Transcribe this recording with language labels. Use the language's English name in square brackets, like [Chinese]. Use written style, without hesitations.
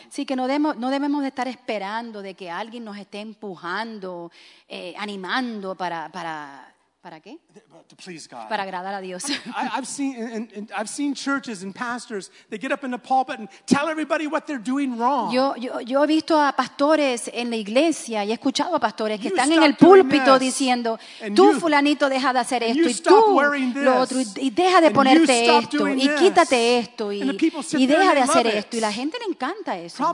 [Spanish] Sí, que no debemos de estar esperando de que alguien nos esté empujando, animando para qué? [English] To please God. [Spanish] Para agradar a Dios. [English] I've seen churches and pastors, they get up in the pulpit and tell everybody what they're doing wrong. [Spanish] Yo he visto a pastores en la iglesia y he escuchado a pastores que están en el púlpito diciendo, tú fulanito deja de hacer esto y tú lo otro y deja de ponerte esto y quítate esto y deja de hacer esto y la gente le encanta eso.